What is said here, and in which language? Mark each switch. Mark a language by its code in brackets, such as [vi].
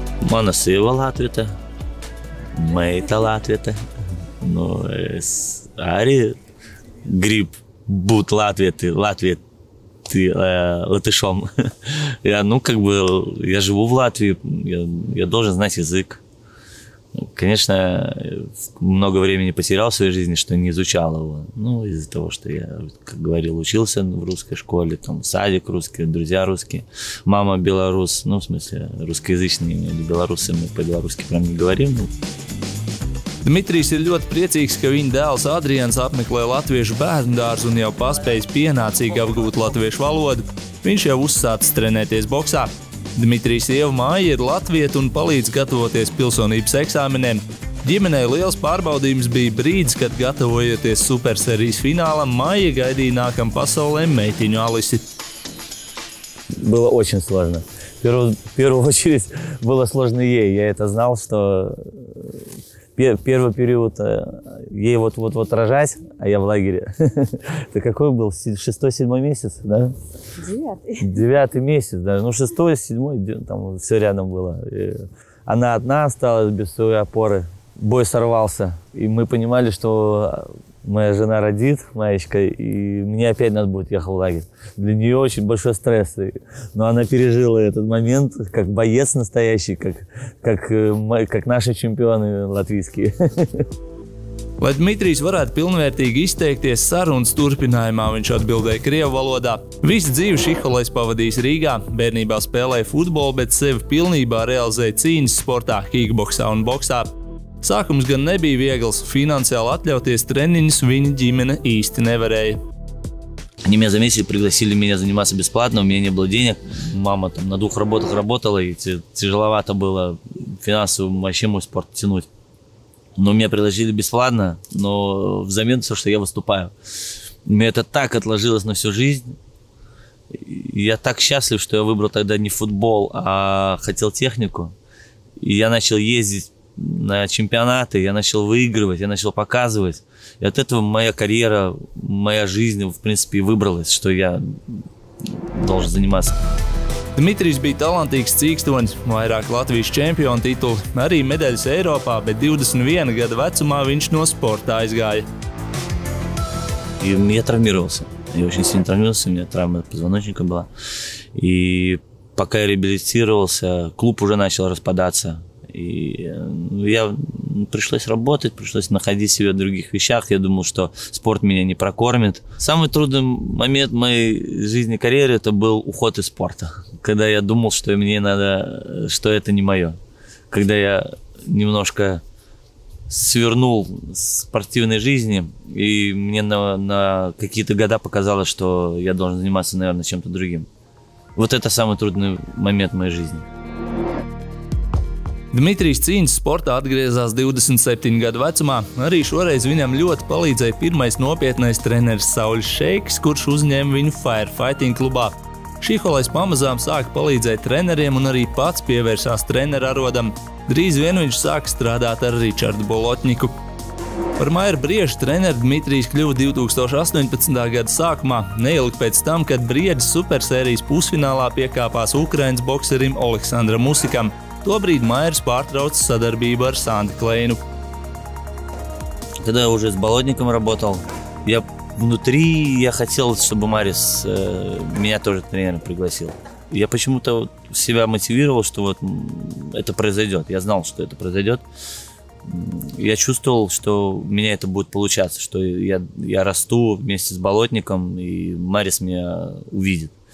[lv] Mana sieva latvieta, meita latvieta. Nu, es arī gribu būt latvieti, latvišom. Ja, nu, kā bū, [ru] ja živu v Latviju, ja должен знать язык. Конечно, много времени потерял в своей жизни, что не изучал его. Ну, из-за того, что я, как говорил, учился в русской школе, там садик русский, друзья русские, мама белорус, ну, в смысле, русскоязычные, или белорусы, мы по-белорусски прям не говорим. [lv] Dmitrijs ir ļoti priecīgs, ka viņa dēls Adrians apmeklē latviešu bērnu dārzu un jau paspējis pienācīgi apgūt latviešu valodu. Viņš jau uzsācis trenēties boksā. Dmitrijs sieva māja ir latvieta un palīdz gatavoties pilsonības eksāmeniem. Ģimenei liels pārbaudījums bija brīdis, kad gatavojoties superserijas finālam, māja gaidīja nākam pasaulē meitiņu Alisi. [ru] Было очень сложно. В первую очередь было сложно ей. Я это знал, что первый период ей вот рожать, а я в лагере. Это какой был? Шестой-седьмой месяц, да? Девятый месяц, да. Ну, шестой-седьмой, там все рядом было. И она одна осталась без своей опоры. Бой сорвался. И мы понимали, что моя жена родит, маечка, и мне опять надо будет ехать в лагерь. Для нее очень большой стресс. Но она пережила этот момент, как боец настоящий, как наши чемпионы латвийские. [lv] Lai Dmitrijs varētu pilnvērtīgi izteikties sarunas turpinājumā, viņš atbildēja krievu valodā. Visu dzīvi Šiholais pavadījis Rīgā, bērnībā spēlēja futbolu, bet sevi pilnībā realizēja cīņas sportā, kickboksā un boksā. Sākums gan nebija viegls, finansiāli atļauties treniņus viņa ģimene īsti nevarēja. [ru] Они меня за месяц пригласили меня заниматься бесплатно, у меня не было денег. Мама там на двух работах работала, и тяжеловато было финансово вообще мой спорт тянуть. Но меня предложили бесплатно, но взамен все, что я выступаю. Мне это так отложилось на всю жизнь. Я так счастлив, что я выбрал тогда не футбол, а хотел технику. И я начал ездить на чемпионаты, я начал выигрывать, я начал показывать. И от этого моя карьера, моя жизнь, в принципе, и выбралась, что я должен заниматься. [lv] Dmitrijs bija talantīgs cīkstoņš, vairāk Latvijas čempiona titulu, arī medaļas Eiropā, bet 21 gada vecumā viņš no sporta aizgāja. [ru] Я травмировался. Я очень сильно травмировался, у меня травма позвоночника была. И пока я реабилитировался, клуб уже начал распадаться. И пришлось работать, пришлось находить себя в других вещах. Я думал, что спорт меня не прокормит. Самый трудный момент моей жизни, карьеры – это был уход из спорта. Когда я думал, что мне надо, что это не мое. Когда я немножко свернул спортивной жизни, и мне на какие-то года показалось, что я должен заниматься, наверное, чем-то другим. Вот это самый трудный момент моей жизни. [lv] Dmitrijs cīņas sportā atgriezās 27 gadu vecumā. Arī šoreiz viņam ļoti palīdzēja pirmais nopietnais treneris Saulis Šeiks, kurš uzņēma viņu Firefighting klubā. Šiholais pamazām sāka palīdzēt treneriem un arī pats pievērsās treneru arodam. Drīz vien viņš sāka strādāt ar Ričardu Bolotņiku. Par Maira Briežu treneru Dmitrijs kļuva 2018. Gada sākumā, neilgi pēc tam, kad Briežs supersērijas pusfinālā piekāpās Ukrainas bokserim Oleksandram Usikam. Tobrīd Maira pārtrauca sadarbību ar Sandi Kleinu. Kad jau uz Bolotņikam darbotal, [ru] ja внутри я хотел, чтобы Марис меня тоже тренером пригласил. я почему-то себя мотивировал, что вот это произойдет. Я знал, что это произойдет. Я чувствовал, что у меня это будет получаться, что я расту вместе с Болотником, и Марис меня увидит.